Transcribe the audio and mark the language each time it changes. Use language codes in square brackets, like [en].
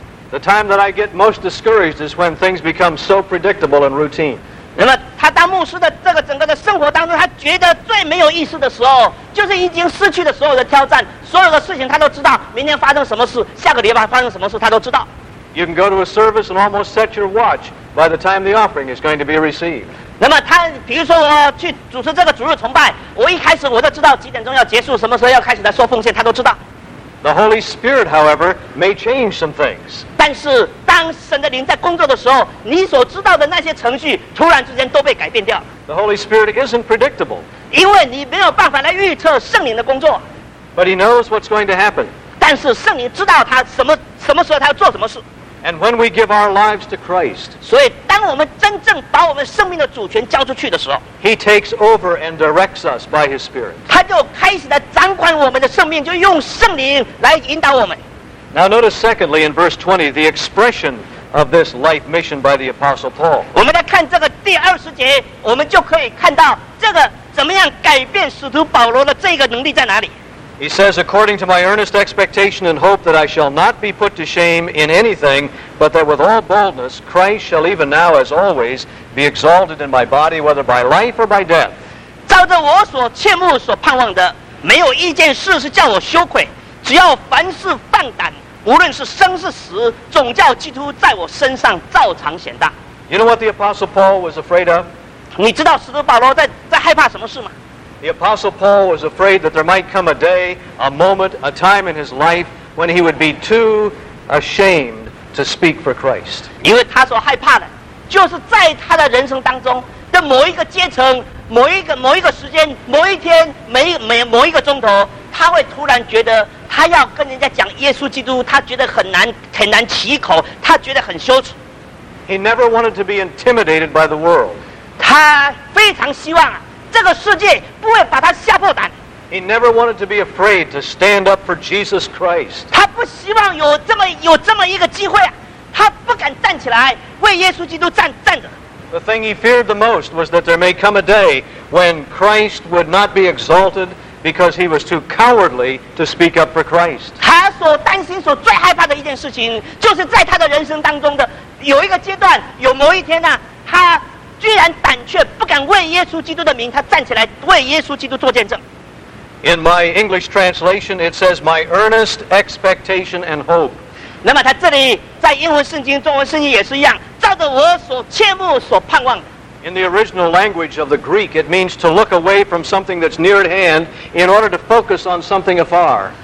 [en] The time that I get most discouraged is when things become so predictable and routine [zh] 那么他当牧师的这个整个的生活当中他觉得最没有意思的时候就是已经失去了所有的挑战所有的事情他都知道明天发生什么事下个礼拜发生什么事他都知道 [en] You can go to a service and almost set your watch by the time the offering is going to be received [zh] 那么他比如说我去主持这个主日崇拜我一开始我就知道几点钟要结束什么时候要开始来收奉献他都知道 [en] The Holy Spirit however may change some things [zh] 但是当神的灵在工作的时候你所知道的那些程序突然之间都被改变掉 [en] The Holy Spirit isn't predictable [zh] 因为你没有办法来预测圣灵的工作 [en] But he knows what's going to happen. [zh] 但是圣灵知道他什么时候他要做什么事。 [en] And when we give our lives to Christ, [zh] 所以当我们真正把我们生命的主权交出去的时候 [en] he takes over and directs us by his spirit. [zh] 他就开始来掌管我们的生命就用圣灵来引导我们。 [en] Now notice secondly in verse 20, the expression of this life mission by the Apostle Paul. [zh] 我们来看这个第二十节我们就可以看到这个怎么样改变使徒保罗的这个能力在哪里。 [en] He says, according to my earnest expectation and hope that I shall not be put to shame in anything, but that with all boldness, Christ shall even now, as always, be exalted in my body, whether by life or by death. [zh] 照着我所切慕所盼望的，没有一件事是叫我羞愧，只要凡事放胆，无论是生是死，总叫基督在我身上照常显大。 [en] You know what the Apostle Paul was afraid of? [zh] 你知道使徒保罗在害怕什么事吗？ [en] The Apostle Paul was afraid that there might come a day, a moment, a time in his life when he would be too ashamed to speak for Christ. [zh] 因为他所害怕的，就是在他的人生当中的某一个阶层、某一个时间、某一天、某一个钟头，他会突然觉得他要跟人家讲耶稣基督，他觉得很难启口，他觉得很羞耻。 [en] He never wanted to be intimidated by the world. [zh] 他非常希望。这个世界不会把他吓破胆。 [en] He never wanted to be afraid to stand up for Jesus Christ. [zh] 他不希望有这么一个机会啊，他不敢站起来为耶稣基督站着。 [en] The thing he feared the most was that there may come a day when Christ would not be exalted because he was too cowardly to speak up for Christ. [zh] 他所担心、所最害怕的一件事情，就是在他的人生当中的有一个阶段，有某一天呢、啊，他。居然胆怯，不敢为耶稣基督的名，他站起来为耶稣基督做见证。 [en] In my English translation, it says my earnest expectation and hope. [zh] 那么他这里在英文圣经、中文圣经也是一样，照着我所切慕、所盼望的。 [en] In the original language of the Greek, it means to look away from something that's near at hand in order to focus on something afar.